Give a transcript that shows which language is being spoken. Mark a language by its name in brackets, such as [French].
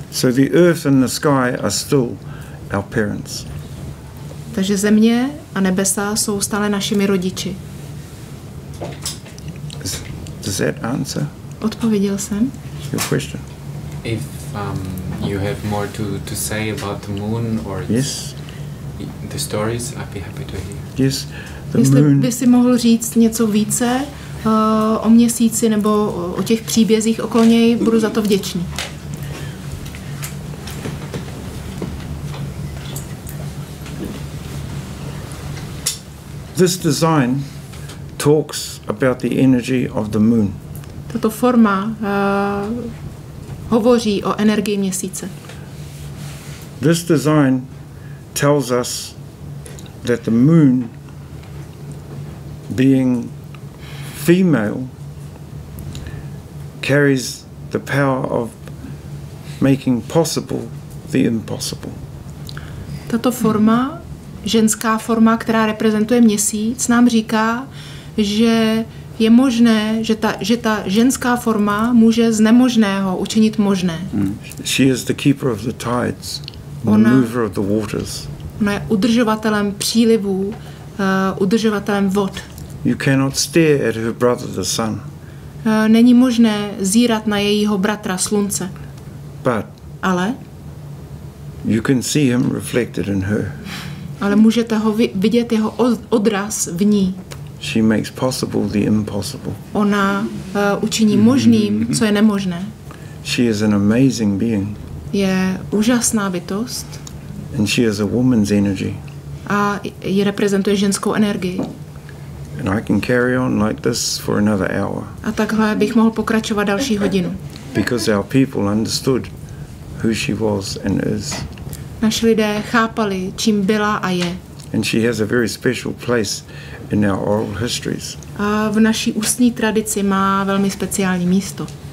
[English] So the earth and the sky are still our parents. [Czech] Takže země a nebesa jsou stále našimi rodiči. [English] Does that answer? [Czech] Odpověděl jsem. [English] Your question. If you have more to say about the moon or yes. The stories, I'd be happy to hear. Yes. [Czech] Jestli by si mohl říct něco více o měsíci nebo o těch příbězích okolo něj, budu za to vděčný. [English] This design talks about the energy of the moon. [Czech] Tato forma hovoří o energii měsíce. [English] This design tells us that the moon being female carries the power of making possible the impossible. [Czech] Tato forma, ženská forma, která reprezentuje měsíc, nám říká, že je možné, že ta ženská forma může z nemožného učinit možné. [English] She is the keeper of the tides, the mover of the waters. [Czech] Ona je udržovatelem přílivů, udržovatelem vod. [English] You cannot stare at her brother, the sun. [Czech] Není možné zírat na jejího bratra slunce. [English] But [Czech] ale [English] you can see him reflected in her. [Czech] Ale můžete ho vidět jeho odraz v ní. [English] She makes possible the impossible. [Czech] Ona učiní možným, co je nemožné. [English] She is an amazing being. [Czech] Je úžasná bytost. [English] And she is a woman's energy. [Czech] A ji reprezentuje ženskou energii. [English] And I can carry on like this for another hour. [Czech] A takhle bych mohl pokračovat další hodinu. [English] Because our people understood who she was and is. [Czech] Naši lidé chápali, čím byla a je. [English] And she has a very special place in our oral histories. [Czech] A v naší ústní tradici má velmi speciální místo.